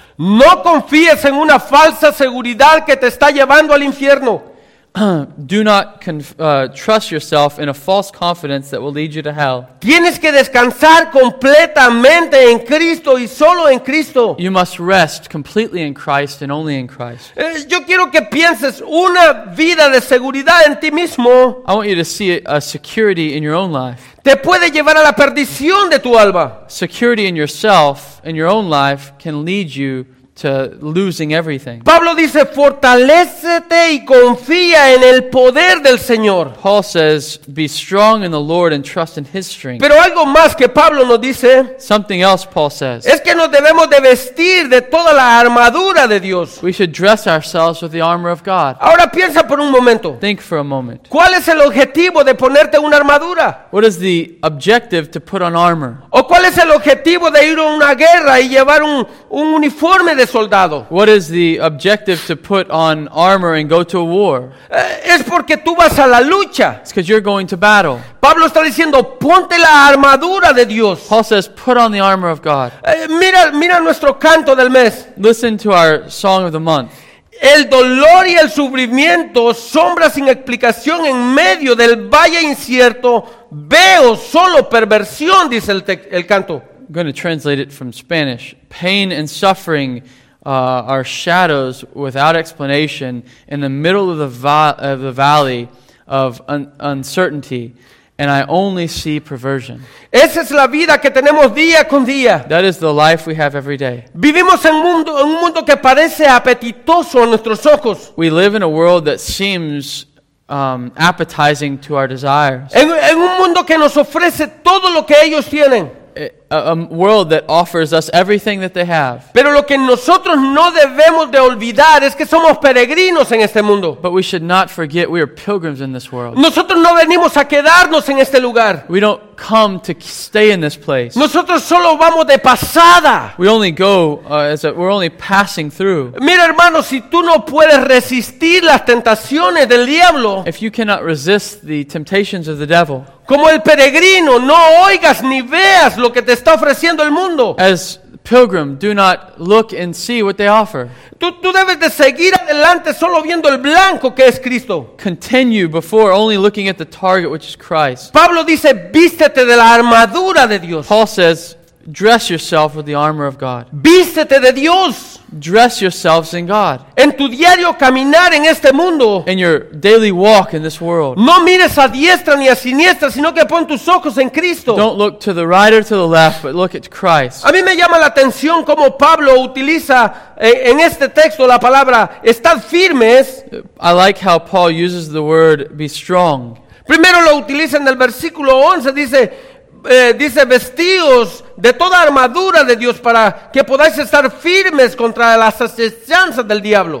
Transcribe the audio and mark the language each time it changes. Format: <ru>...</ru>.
<es>No confíes en una falsa seguridad que te está llevando al infierno.</es> <en>Do not trust yourself in a false confidence that will lead you to hell.</en> <es>Tienes que descansar completamente en Cristo y solo en Cristo.</es> <en>You must rest completely in Christ and only in Christ.</en> <es>Yo quiero que pienses una vida de seguridad en ti mismo.</es> <en>I want you to see a security in your own life.</en> <es>Te puede llevar a la perdición de tu alma.</es> <en>Security in yourself, in your own life, can lead you to losing everything.</en> <es>Pablo dice, fortalécete y confía en el poder del Señor.</es> <en>Paul says, be strong in the Lord and trust in his strength.</en> <es>Pero algo más que Pablo nos dice,</es> <en>something else Paul says,</en> <es>es que nos debemos de vestir de toda la armadura de Dios.</es> <en>We should dress ourselves with the armor of God.</en> <es>Ahora piensa por un momento.</es> <en>Think for a moment.</en> <es>¿Cuál es el objetivo de ponerte una armadura?</es> <en>What is the objective to put on armor?</en> <es>¿O cuál es el objetivo de ir a una guerra y llevar un uniforme?</es> <en>What is the objective to put on armor and go to a war?</en> <es>Es porque tú vas a la lucha.</es> <en>It's because you're going to battle.</en> <es>Pablo está diciendo, ponte la armadura de Dios.</es> <en>Paul says, put on the armor of God.</en> <es>Mira nuestro canto del mes.</es> <en>Listen to our song of the month.</en> <es>El dolor y el sufrimiento, sombra sin explicación en medio del valle incierto, veo solo perversión, dice el canto.</es> <en>I'm going to translate it from Spanish. Pain and suffering are shadows without explanation in the middle of the valley of uncertainty, and I only see perversion.</en> <es>Esa es la vida que tenemos día con día.</es> <en>That is the life we have every day.</en> <es>Vivimos en un mundo que parece apetitoso a nuestros ojos.</es> <en>We live in a world that seems appetizing to our desires.</en> <es>En un mundo que nos ofrece todo lo que ellos tienen.</es> <en>A world that offers us everything that they have.</en> <es>Pero lo que nosotros no debemos de olvidar es que somos peregrinos en este mundo.</es> <en>But we should not forget we are pilgrims in this world.</en> <es>Nosotros no venimos a quedarnos en este lugar.</es> <en>We don't come to stay in this place.</en> <es>Nosotros solo vamos de pasada.</es> <en>We only go we're only passing through.</en> <es>Mira, hermano, si tú no puedes resistir las tentaciones del diablo.</es> <en>If you cannot resist the temptations of the devil.</en> <es>Como el peregrino, no oigas ni veas lo que te está ofreciendo el mundo.</es> <en>As Pilgrim, do not look and see what they offer.</en> <es>Tú debes de seguir adelante solo viendo el blanco que es Cristo.</es> <en>Continue before only looking at the target, which is Christ.</en> <es>Pablo dice, vístete de la armadura de Dios.</es> <en>Paul says, dress yourself with the armor of God.</en> <es>Vístete de Dios.</es> <en>Dress yourselves in God.</en> <es>En tu diario caminar en este mundo.</es> <en>In your daily walk in this world.</en> <es>No mires a diestra ni a siniestra, sino que pon tus ojos en Cristo.</es> <en>Don't look to the right or to the left, but look at Christ.</en> <es>A mí me llama la atención cómo Pablo utiliza en este texto la palabra estad firmes.</es> <en>I like how Paul uses the word be strong.</en> <es>Primero lo utiliza en el versículo 11, dice vestidos de toda armadura de Dios para que podáis estar firmes contra las asechanzas del diablo.</es>